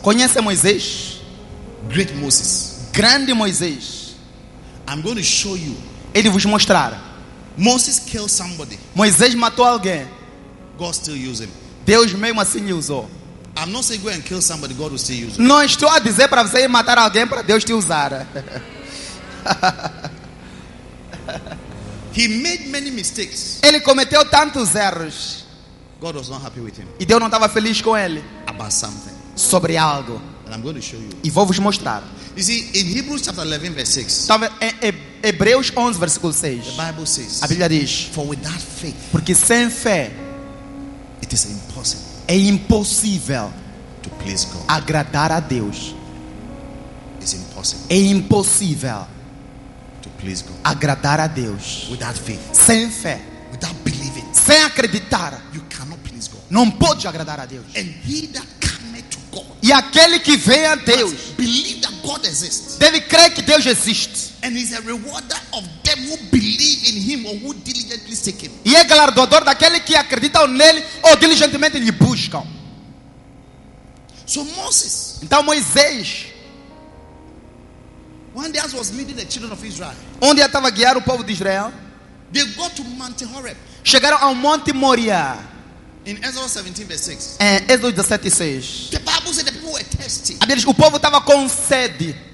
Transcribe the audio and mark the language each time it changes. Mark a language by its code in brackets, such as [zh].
[pt] Conhece Moisés? [en] Great Moses. [pt] Grande Moisés. [en] I'm going to show you. [pt] Ele vos mostrar. [en] Moses killed somebody. [pt] Moisés matou alguém. [en] God still use him. [pt] Deus mesmo assim lhe usou. [en] I'm not saying go and kill somebody, God will still use him. [pt] Não estou a dizer para você ir matar alguém para Deus te usar. [en] He made many mistakes. [pt] Ele cometeu tantos erros. [en] God was not happy with him. [pt] E Deus não estava feliz com ele. [en] About something. [pt] Sobre algo. [en] And I'm going to show you. [pt] E vou vos mostrar. [en] You see, in Hebrews chapter 11, verse 6. [pt] Hebreus 11, versículo 6. [en] The Bible says, [pt] a Bíblia diz: [en] for without faith, [pt] porque sem fé, [en] it is impossible, [pt] é impossível [en] to please God, [pt] agradar a Deus. [en] It's impossible, [pt] é impossível [en] to please God, [pt] agradar a Deus. [en] Without faith, [pt] sem fé, [en] without believing, [pt] sem acreditar, [en] you cannot please God, [pt] não pode agradar a Deus. [en] And he that cometh to God, [pt] e aquele que vem a Deus, [en] believe that God exists, [pt] deve crer que Deus existe. [en] And he's a rewarder of them who believe in him or who diligently seek him. [pt] E é galardoador daquele que acredita nele ou diligentemente lhe busca. [en] So Moses, [pt] então Moisés, [en] one day was leading the children of Israel. [pt] Onde ele estava guiar o povo de Israel? [en] They got to Mount Horeb. [pt] Chegaram ao Monte Moriá. [en] In Exodus 17 verse 6. [pt] Êxodo 17, 6. [en] The Bible said the people were thirsty. [pt] A Bíblia diz, o povo estava com sede.